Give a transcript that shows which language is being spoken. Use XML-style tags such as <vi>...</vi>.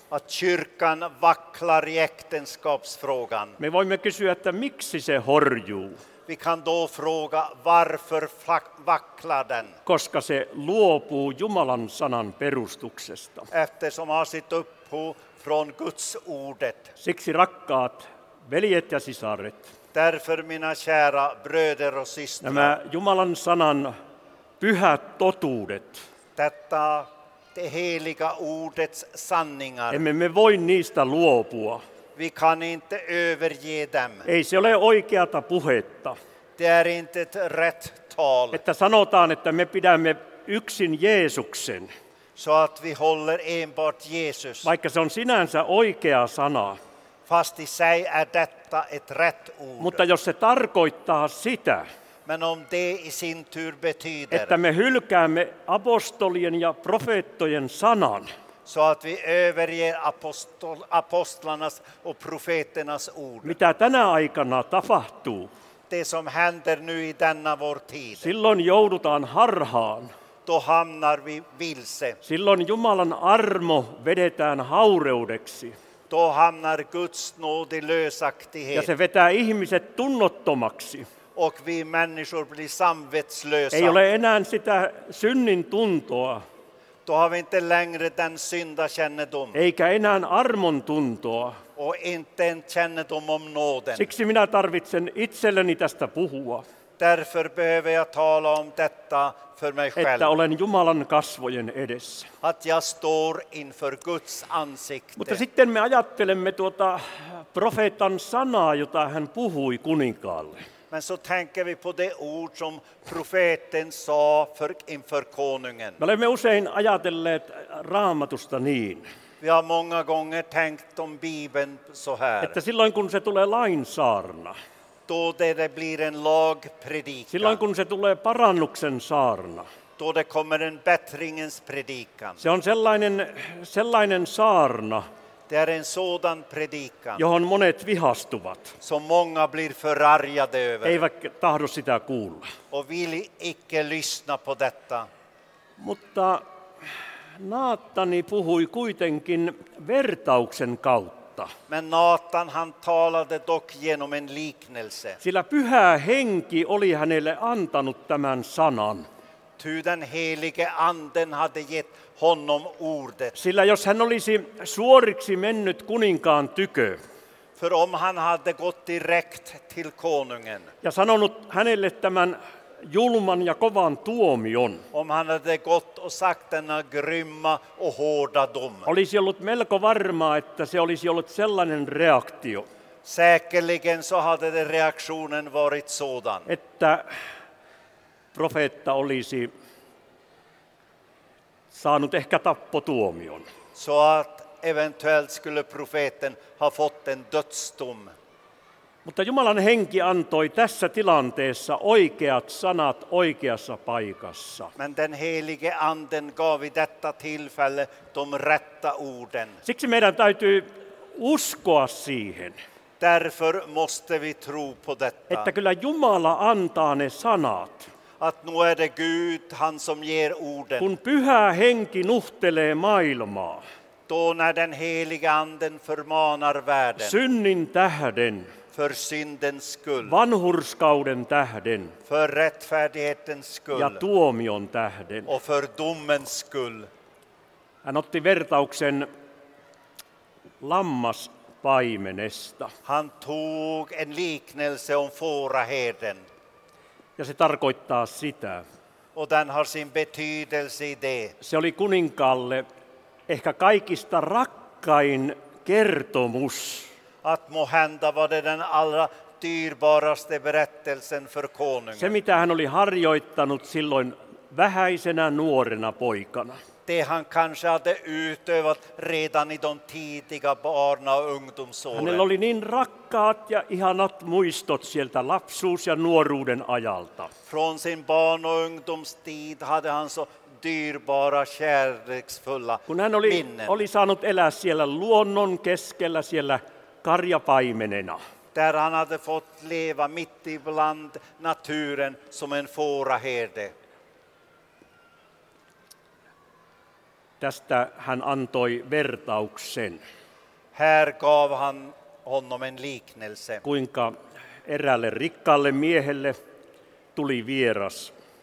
<sv>Att kyrkan vacklar i äktenskapsfrågan.</sv> <fi>Me voimme kysyä, että miksi se horjuu.</fi> <sv>Vi kan då fråga varför vacklar den.</sv> <fi>Koska se luopuu Jumalan sanan perustuksesta.</fi> <sv>Eftersom asit upphuu från Guds ordet.</sv> <fi>Siksi rakkaat veljet ja sisaret.</fi> <sv>Därför mina kära bröder och systrar.</sv> <fi>Nämä Jumalan sanan pyhät totuudet.</fi> <sv>Detta det heliga ordets sanningar.</sv> <fi>Emme me voi niistä luopua.</fi> <sv>Vi kan inte överge dem.</sv> <fi>Ei se ole oikeata puhetta.</fi> <sv>Det är inte ett rätt tal.</sv> <fi>Että sanotaan, että me pidämme yksin Jeesuksen.</fi> <sv>Så att vi håller enbart Jesus.</sv> <fi>Vaikka se on sinänsä oikea sana.</fi> <sv>Fast i sig är detta ett rätt ord.</sv> <fi>Mutta jos se tarkoittaa sitä.</fi> <sv>Men om det i sin tur betyder.</sv> <fi>Että me hylkäämme apostolien ja profeettojen sanan.</fi> <sv>Så att vi överger apostlarnas och profeternas ord.</sv> <fi>Mitä tänä aikana tapahtuu?</fi> <sv>Det som händer nu i denna vår tid.</sv> <fi>Silloin joudutaan harhaan.</fi> <sv>Då hamnar vi vilse.</sv> <fi>Silloin Jumalan armo vedetään haureudeksi.</fi> <sv>Då hamnar Guds nåd i lösaktighet.</sv> <fi>Ja se vetää ihmiset tunnottomaksi.</fi> <sv>Och vi människor blir samvetslösa.</sv> <fi>Ei ole enää sitä synnin tuntoa.</fi> <sv>Då har vi inte längre den syndakännedom.</sv> <fi>Eikä enää armon tuntoa.</fi> <sv>Och inte en kännedom om nåden.</sv> <fi>Siksi minä tarvitsen itselleni tästä puhua.</fi> <sv>Därför behöver jag tala om detta för mig själv.</sv> <fi>Että olen Jumalan kasvojen edessä.</fi> <sv>Att jag står inför Guds ansikte.</sv> <fi>Mutta sitten me ajattelemme tuota profeetan sanaa, jota hän puhui kuninkaalle.</fi> <sv>Men så tänker vi på det ord som profeten sa inför konungen.</sv> <fi>Me olemme usein ajatelleet Raamatusta niin.</fi> <sv>Vi har många gånger tänkt om Bibeln så här.</sv> <fi>Että silloin kun se tulee lainsaarna.</fi> <sv>Då det blir en lagpredikan.</sv> <fi>Silloin kun se tulee parannuksen saarna.</fi> <sv>Då det kommer en bättringens predikan.</sv> <fi>Se on sellainen saarna.</fi> <sv>Det är en sådan predikan.</sv> <fi>Johon monet vihastuvat.</fi> <sv>Som många blir förargade över.</sv> <fi>Eivät tahdo sitä kuulla.</fi> <sv>Och vill icke lyssna på detta.</sv> <fi>Mutta Naatani puhui kuitenkin vertauksen kautta.</fi> <sv>Men Nathan han talade dock genom en liknelse.</sv> <fi>Sillä pyhä henki oli hänelle antanut tämän sanan.</fi> <sv>Ty den helige anden hade gett honom ordet.</sv> <fi>Sillä jos hän olisi suoriksi mennyt kuninkaan tykö.</fi> <sv>För om han hade gått direkt till konungen.</sv> <fi>Ja sanonut hänelle tämän julman ja kovan tuomion.</fi> <sv>Om han hade gått och sagt denna grymma och hårda dom.</sv> <fi>Olisi ollut melko varmaa, että se olisi ollut sellainen reaktio.</fi> <sv>Säkerligen så hade den reaktionen varit sådan.</sv> <fi>Että profeetta olisi saanut ehkä tappotuomion.</fi> <sv>Så att eventuellt skulle profeten ha fått en dödsdom.</sv> <fi>Mutta Jumalan henki antoi tässä tilanteessa oikeat sanat oikeassa paikassa.</fi> <sv>Men den helige anden gav i detta tillfälle de rätta orden.</sv> <fi>Siksi meidän täytyy uskoa siihen.</fi> <sv>Därför måste vi tro på detta.</sv> <fi>Että kyllä Jumala antaa ne sanat.</fi> <sv>Att nu är det Gud han som ger orden.</sv> <fi>Kun pyhä henki nuhtelee maailmaa.</fi> <sv>Då när den helige anden förmanar världen.</sv> <fi>Synnin tähden.</fi> <sv>För syndens skull.</sv> <fi>Vanhurskauden tähden.</fi> <sv>För rättfärdighetens skull.</sv> <fi>Ja tuomion tähden.</fi> <sv>Och för domens skull.</sv> <fi>Hän otti vertauksen lammaspaimenesta.</fi> <sv>Han tog en liknelse om fåraherden.</sv> <fi>Ja se tarkoittaa sitä.</fi> <sv>Och den har sin betydelse i det.</sv> <fi>Se oli kuninkaalle ehkä kaikista rakkain kertomus.</fi> <sv>att må hända var det den allra dyrbaraste berättelsen för konungen.</sv> <fi>Se mitä hän oli harjoittanut silloin vähäisenä nuorena poikana.</fi> <sv>Det han kanske hade utövat redan i de tidiga barna- och ungdomsåren.</sv> <fi>Hänellä oli niin rakkaat ja ihanat muistot sieltä lapsuus- ja nuoruuden ajalta.</fi> <sv>Från sin barn- och ungdomstid hade han så dyrbara, kärleksfulla minnen.</sv> <fi>Kun hän oli saanut elää siellä luonnon keskellä, siellä karjapaimenena.</fi> <sv>Där han hade fått leva mitt ibland naturen som en fåraherde.</sv> <fi>Tästä hän antoi vertauksen.</fi> <sv>Här gav han honom en liknelse.</sv> <fi>Kuinka eräälle rikkaalle miehelle tuli vieras.</fi>